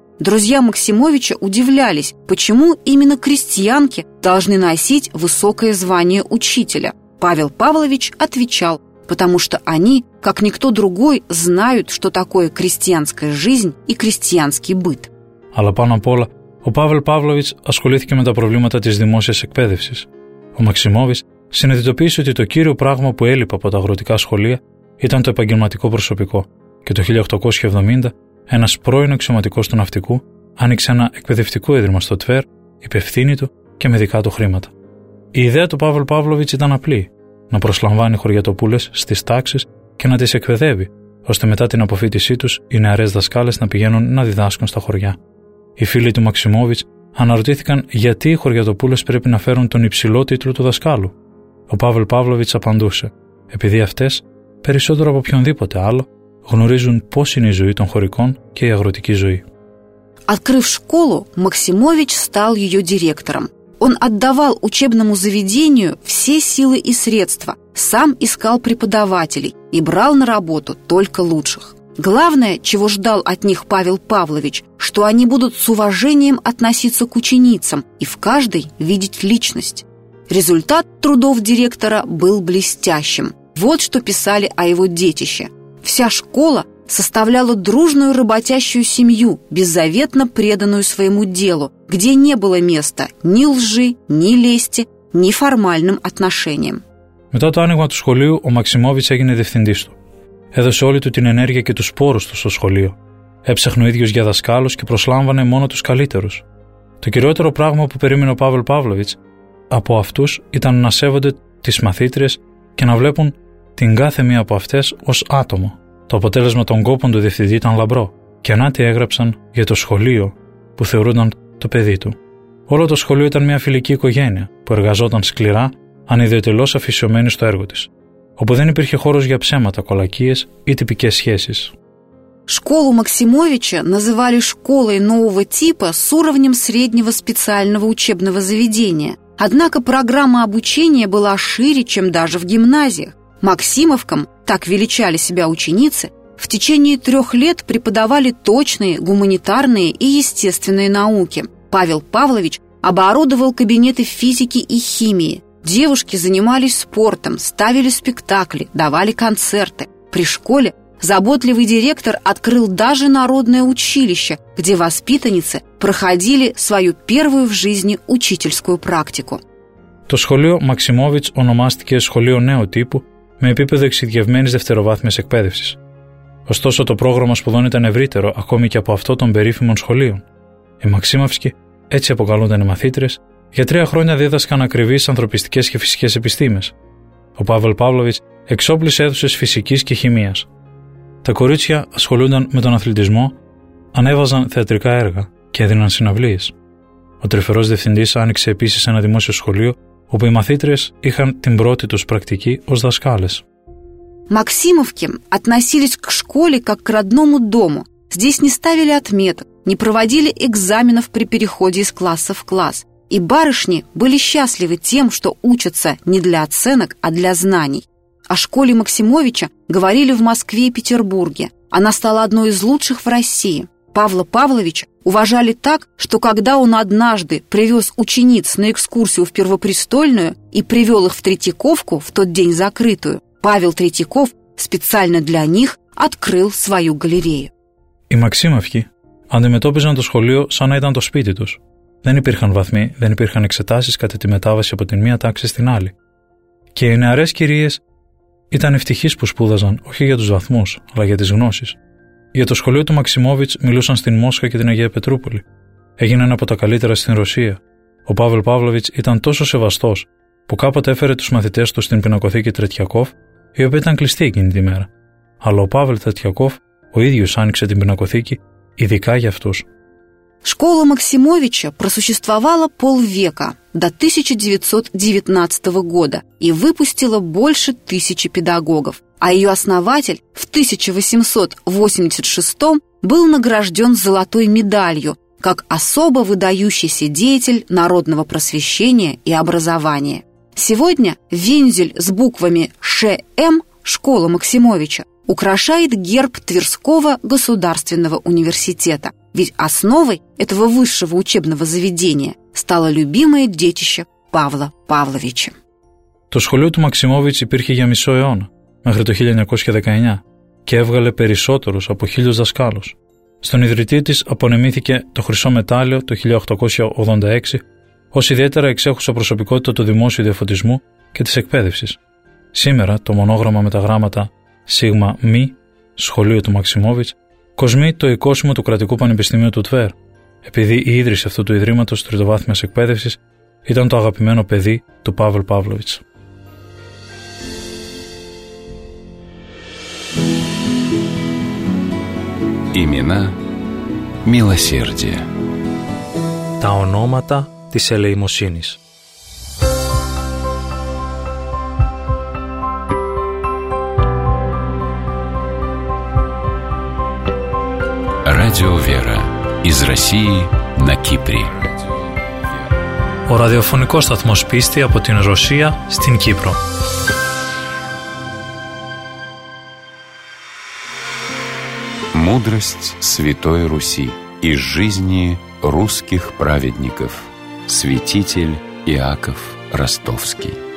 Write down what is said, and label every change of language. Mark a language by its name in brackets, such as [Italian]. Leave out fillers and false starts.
[Russian] Друзья Максимовича удивлялись, почему именно крестьянки должны носить высокое звание учителя. Павел Павлович отвечал, потому что они, как никто другой, знают, что такое крестьянская жизнь и крестьянский быт. Алла Панапола. [Greek] Ο Παύλ Παύλοβιτς ασχολήθηκε με τα προβλήματα της δημόσιας εκπαίδευσης. Ο Μαξιμόβιτς συνειδητοποίησε ότι το κύριο πράγμα που έλειπε από τα αγροτικά σχολεία ήταν το επαγγελματικό προσωπικό και το 1870 ένας πρώην αξιωματικός του ναυτικού άνοιξε ένα εκπαιδευτικό ίδρυμα στο Τβέρ, υπευθύνη του και με δικά του χρήματα. Η ιδέα του Παύλ Παύλοβιτς ήταν απλή: να προσλαμβάνει χωριατοπούλες στις τάξεις και να τις εκπαιδεύει, ώστε μετά την αποφύτισή τους οι νεαρές δασκάλες να πηγαίνουν να διδάσκουν στα χωριά. Οι φίλοι του Μαξιμόβιτς αναρωτήθηκαν γιατί οι χωριατοπούλες πρέπει να φέρουν τον υψηλό τίτλο του δασκάλου. Ο Παύλ Παύλοβιτς απαντούσε: επειδή αυτές, περισσότερο από οποιονδήποτε άλλο, γνωρίζουν πώς είναι η ζωή των χωρικών και η αγροτική ζωή. [Russian] Открыв школу, Максимович стал ее директором. Он отдавал учебному заведению все силы и средства, сам искал преподавателей и брал на работу только лучших. Главное, чего ждал от них Павел Павлович, что они будут с уважением относиться к ученицам и в каждой видеть личность. Результат трудов директора был блестящим. Вот что писали о его детище. Вся школа составляла дружную работящую семью, беззаветно преданную своему делу, где не было места ни лжи, ни лести, ни формальным отношениям. [Greek] Мета то άνοιγμα του σχολείου, ο Μαξιμόβιτς έγινε διευθυντής του. Έδωσε όλη του την ενέργεια και τους πόρους του στο σχολείο. Έψαχνε ο ίδιος για δασκάλους και προσλάμβανε μόνο τους καλύτερους. Το κυριότερο πράγμα που περίμενε ο Παύλ Παύλοβιτς από αυτούς ήταν να σέβονται τις μαθήτριες και να βλέπουν την κάθε μία από αυτές ως άτομο. Το αποτέλεσμα των κόπων του διευθυντή ήταν λαμπρό. Και ανάτι έγραψαν για το σχολείο που θεωρούνταν το παιδί του. Όλο το σχολείο ήταν μια φιλική οικογένεια που εργαζόταν σκληρά, ανιδιωτελώς αφοσιωμένη στο έργο της. Όπου δεν υπήρχε χώρος για ψέματα, κολακίες ή τυπικές σχέσεις. [Russian] Школу Максимовича называли школой нового типа с уровнем среднего специального учебного заведения. Однако программа обучения была шире, чем даже в гимназиях. Максимовкам, так величали себя ученицы, в течение 3 лет преподавали точные, гуманитарные и естественные науки. Павел Павлович оборудовал кабинеты физики и химии. Девушки занимались спортом, ставили спектакли, давали концерты. При школе заботливый директор открыл даже народное училище, где воспитанницы проходили свою первую в жизни учительскую практику. [Greek] Το σχολείο Максимович ονομάστηκε σχολείο νέου τύπου με επίπεδο εξειδικευμένης δευτεροβάθμιας εκπαίδευσης. Ωστόσο, το πρόγραμμα σπουδών ήταν ευρύτερο ακόμη και από αυτό των περίφημων σχολείων. Οι Μαξίμαυσκοι, έτσι αποκαλούνταν οι μαθήτρες, για 3 χρόνια δίδασκαν ακριβείς ανθρωπιστικές και φυσικές επιστήμες. ο Παύλο Παύλοβιτς εξόπλισε αίθουσες φυσικής και χημίας. Τα κορίτσια ασχολούνταν με τον αθλητισμό, ανέβαζαν θεατρικά έργα και έδιναν συναυλίες. Ο τρυφερός διευθυντής άνοιξε επίσης ένα δημόσιο σχολείο, όπου οι μαθήτριες είχαν την πρώτη τους πρακτική ως δασκάλες. [Russian] Максимовки относились к школе как к родному дому. Здесь не ставили отметок, не проводили экзаменов при переходе из класса в класс. И барышни были счастливы тем, что учатся не для оценок, а для знаний. О школе Максимовича говорили в Москве и Петербурге. Она стала одной из лучших в России. Павла Павловича уважали так, что когда он однажды привез учениц на экскурсию в Первопрестольную и привел их в Третьяковку в тот день закрытую, Павел Третьяков специально для них открыл свою галерею. [Greek] Οι Максимовки αντιμετώπιζαν το σχολείο σαν να ήταν το σπίτι τους. Δεν υπήρχαν βαθμοί, δεν υπήρχαν εξετάσεις κατά τη μετάβαση από την μία τάξη στην άλλη. Και οι νεαρές κυρίες ήταν ευτυχείς που σπούδαζαν όχι για τους βαθμούς, αλλά για τις γνώσεις. Για το σχολείο του Μαξιμόβιτς μιλούσαν στην Μόσχα και την Αγία Πετρούπολη. Έγιναν από τα καλύτερα στην Ρωσία. Ο Παύλ Παύλοβιτς ήταν τόσο σεβαστός που κάποτε έφερε τους μαθητές του στην πινακοθήκη Τρετιακόφ, η οποία ήταν κλειστή εκείνη τη μέρα. Αλλά ο Παύλ Τρετιακόφ ο ίδιος άνοιξε την πινακοθήκη ειδικά για αυτούς. [Russian] Школа Максимовича просуществовала полвека, до 1919 года, и выпустила больше 1000 педагогов, а ее основатель в 1886 был награжден золотой медалью как особо выдающийся деятель народного просвещения и образования. Сегодня вензель с буквами ШМ «Школа Максимовича» украшает герб Тверского государственного университета. Ведь основой этого высшего учебного заведения стало любимое детище Павла Павловича. [Greek] Το σχολείο του Максимовича υπήρχε για μισό αιώνα, μέχρι το 1919, και έβγαλε περισσότερους από 1000 δασκάλους. Στον ιδρυτή της απονεμήθηκε το χρυσό μετάλλιο το 1886 ως ιδιαίτερα εξέχουσα προσωπικότητα του δημόσιου διαφωτισμού και της εκπαίδευσης. Σήμερα το μονόγραμμα με τα γράμματα σίγμα μη, σχολείο του Μαξιμόβιτς, κοσμεί το οικόσημο του Κρατικού Πανεπιστημίου του Τβέρ, επειδή η ίδρυση αυτού του ιδρύματος τριτοβάθμιας εκπαίδευσης ήταν το αγαπημένο παιδί του Παύλ Παύλοβιτς. [Russian] Имена милосердия. [Greek] Τα ονόματα της ελεημοσύνης. [Russian] Радио Вера из России на Кипре. [Greek] Ο ραδιοφωνικός σταθμός πίστη από την Ρωσία στην Κύπρο. [Russian] Мудрость Святой Руси из жизни русских праведников. Святитель Иаков Ростовский.